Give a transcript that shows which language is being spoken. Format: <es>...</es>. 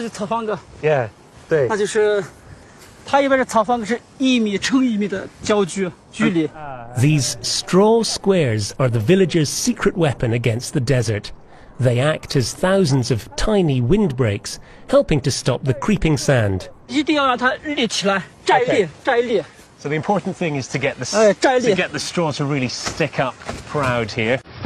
<zh>徐老师，你好，你好，你好，你好，你好。啊，哎，能不能给我看一下这个草方格的？哦，这是草方格。Yeah，对，那就是。它一般是草方格是一米乘一米的焦距距离。</zh> <en>These straw squares are the villagers' secret weapon against the desert. They act as thousands of tiny windbreaks, helping to stop the creeping sand.</en> <zh>一定要让它立起来，站立，站立。</zh> <en>So the important thing is to get the straw to really stick up proud here.</en>